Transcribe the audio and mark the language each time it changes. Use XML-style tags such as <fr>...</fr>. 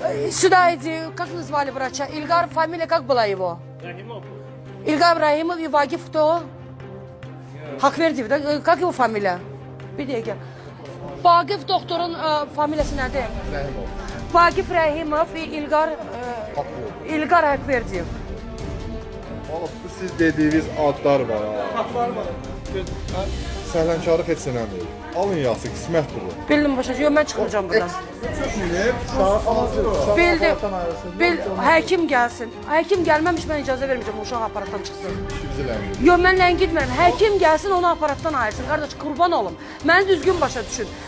<ru>Сюда иди, как назвали врача? Ильгар, фамилия как была его? Рахимов. Ильгар Рахимов и Вагиф кто? Хакверди, да? Как его фамилия?</ru> <az>Bir dəqiqə. Vaqif doktorun familiyası nədir? Rəhimov. Vaqif Rəhimov və İlqar İlqar Haqverdiyev. Oğlum, siz dediyiniz adlar var ha. Adlar var. Səhlənkarlıq etsə nədir? Alın yaxşı, qismət budur. Bildim başa düşürəm, mən çıxmayacağam burdan. Bildim. Həkim gəlsin. Həkim gəlməmiş mən icazə verməyəcəm uşaq aparatdan çıxsın. Bizləmir. Yox, mən ləngitmirəm. Həkim gəlsin, onu aparatdan ayırsın. Qardaş, qurban olum. Məni düzgün başa düşün.</az>